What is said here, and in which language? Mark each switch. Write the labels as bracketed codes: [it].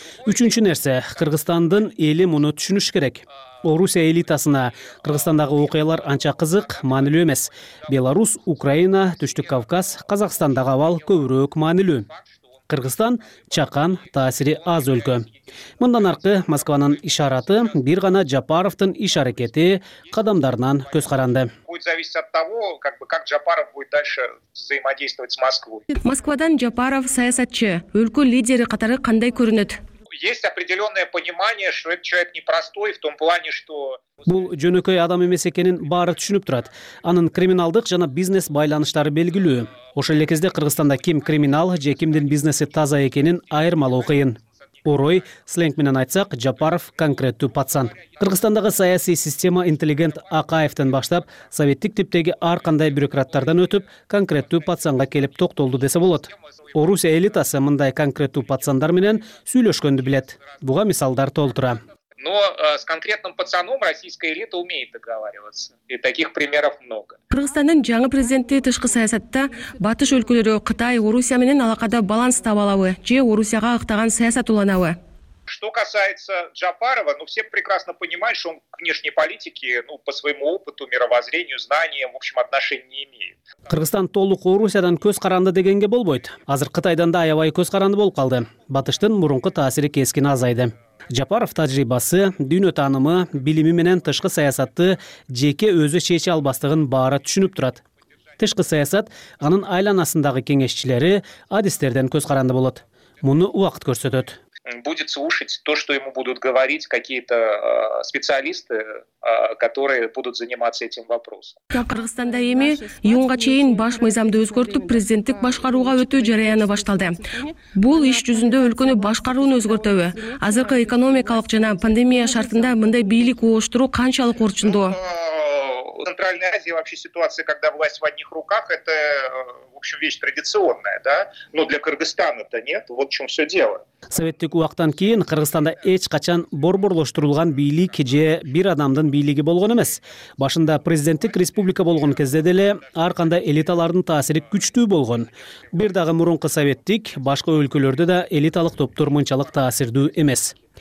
[ky] Үчүнчү нерсе, Кыргызстандын эли муну түшүнүш керек. Орусия элитасына Кыргызстандагы окуялар анча кызык, маанилүү эмес. Беларус, Украина, Түштүк Кавказ, Казакстандагы абал көбүрөөк маанилүү. Кыргызстан чакан, таасири аз өлкө. Мындан аркы Москванын ишараты бир гана Жапаровдун иш аракети кадамдарынан көз каранды. [ru] Будет зависеть от того, как Жапаров будет дальше взаимодействовать с Москвой. [ky] Москвадан Жапаров саясатчы, өлкө лидери катары кандай көрүнөт? [ru] Есть определенное понимание, что этот человек непростой в том плане, что... [ky] Бул жөнөкөй адам эмес экенин баары түшүнүп турат. Анын криминалдык жана бизнес байланыштары белгилүү. Ошол эле кезде Кыргызстанда ким криминал же кимдин бизнеси таза экенин айырмалоо кыйын. Орой, сленг менен айтсак, Жапаров конкреттүү пацан. Кыргызстандагы саясий система интеллигент Акаевден баштап, советтик типтеги ар кандай бюрократтардан өтүп, конкреттүү пацанга келип токтолду десе болот. Орусия элитасы мындай конкреттүү пацандар менен сүйлөшкөндү билет. Буга мисалдар толтура. [ru] Но с конкретным пацаном российская элита умеет договариваться. И таких примеров много. [ky] Кыргызстандын жаңы президенти тышкы саясатта батыш өлкөлөрү Кытай, Орусия менен алакада баланс таба алабы же Орусияга ыктаган саясат уланабы? [ru] Что касается Джапарова, ну все прекрасно понимают, что он к внешней политике, ну по своему опыту, мировоззрению, знаниям, в общем, отношения не имеет. [ky] Кыргызстан толук Орусиядан көз каранды дегенге болбойт. Азыр Кытайдан да аябай көз каранды болуп калды. Батыштын мурунку таасири кескин азайды. Жапаров тажрыйбасы, дүйнө таанымы, билими менен тышкы саясатты жеке өзү чече албастыгын баары түшүнүп турат. Тышкы саясат анын айланасындагы кеңешчилери адистерден көз каранды болот. Муну убакыт көрсөтөт. [ru] Будет слушать то, что ему будут говорить какие-то специалисты, которые будут заниматься этим вопросом. [ky] Кыргызстанда эми июнга чейин баш мыйзамды өзгөртүп, президенттик башкарууга өтүү жараяны башталды. Бул иш жүзүндө өлкөнү башкарууну өзгөртөбү? Азыркы экономикалык жана пандемия шартында мындай бийлик ооштуруу канчалык орчундуу? [ru] В Центральной Азии вообще ситуация, когда власть в одних руках, это, в общем, вещь традиционная, да? Но для Кыргызстана-то нет, вот в чем все дело. [ky] Советтик убактан кийин Кыргызстанда эч качан борборлоштурулган бийлик же бир адамдын бийлиги болгон эмес. Башында президенттик республика болгон кезде деле ар кандай элиталардын таасири күчтүү болгон. Бир дагы мурунку советтик, башка өлкөлөрдө да элиталык топтор мынчалык таасирдүү эмес.